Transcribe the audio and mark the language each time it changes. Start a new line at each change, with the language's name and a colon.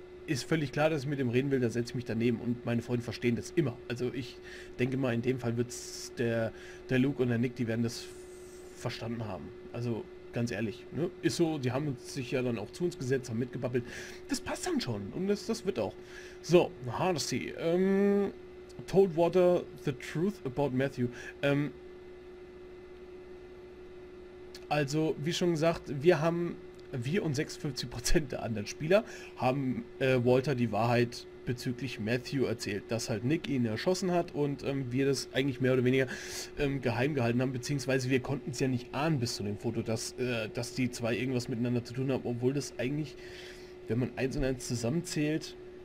German: ist völlig klar, dass ich mit dem reden will, dann setze ich mich daneben und meine Freunde verstehen das immer. Also ich denke mal, in dem Fall wird es der Luke und der Nick, die werden das verstanden haben. Also ganz ehrlich, ne? Ist so, die haben sich ja dann auch zu uns gesetzt, haben mitgebabbelt. Das passt dann schon und das wird auch. So, Hardesty.
English: Told Water the truth about Matthew.
German: Also, wie schon gesagt, wir und 56% der anderen Spieler haben Walter die Wahrheit bezüglich Matthew erzählt, dass halt Nick ihn erschossen hat und wir das eigentlich mehr oder weniger geheim gehalten haben, beziehungsweise wir konnten es ja nicht ahnen bis zu dem Foto, dass die zwei irgendwas miteinander zu tun haben, obwohl das eigentlich, wenn man eins und eins zusammenzählt,